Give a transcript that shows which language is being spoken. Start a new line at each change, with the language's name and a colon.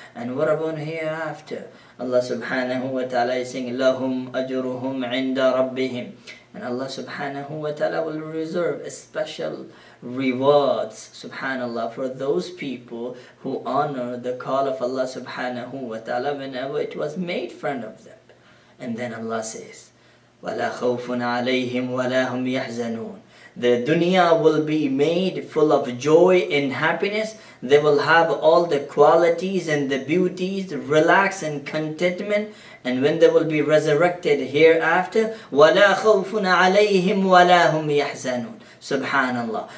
English: And what about hereafter? Allah subhanahu wa ta'ala is saying,
Arabic: lahum ajruhum 'inda rabbihim.
English: And Allah subhanahu wa ta'ala will reserve a special rewards, subhanallah, for those people who honor the call of Allah subhanahu wa ta'ala whenever it was made in front of them. And then Allah says,
Arabic: وَلَا خَوْفٌ عَلَيْهِمْ وَلَا هُمْ يَحْزَنُونَ.
English: The dunya will be made full of joy and happiness. They will have all the qualities and the beauties, relax and contentment. And when they will be resurrected hereafter,
Arabic: وَلَا خَوْفٌ عَلَيْهِمْ وَلَا هُمْ يَحْزَنُونَ.
English: Subhanallah.